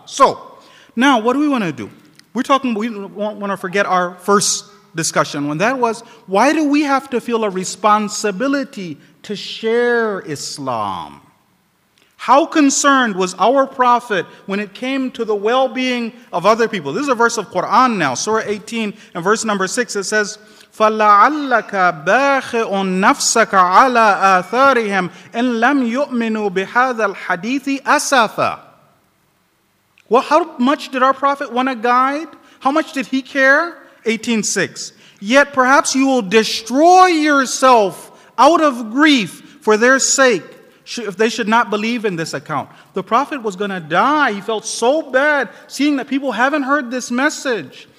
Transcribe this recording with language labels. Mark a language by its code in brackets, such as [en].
[en] So, now what do we want to do? We don't want to forget our first discussion, when that was, why do we have to feel a responsibility to share Islam? How concerned was our Prophet when it came to the well-being of other people? This is a verse of Quran now, Surah 18 and verse number 6. It says, [ar] فَلَعَلَّكَ بَاخِعٌ نَفْسَكَ عَلَىٰ آثَارِهِمْ إِنْ لَمْ يُؤْمِنُوا بِهَذَا الْحَدِيثِ أَسَفًا. [en] Well, how much did our Prophet want to guide? How much did he care? 18:6. Yet perhaps you will destroy yourself out of grief for their sake if they should not believe in this account. The Prophet was going to die. He felt so bad seeing that people haven't heard this message.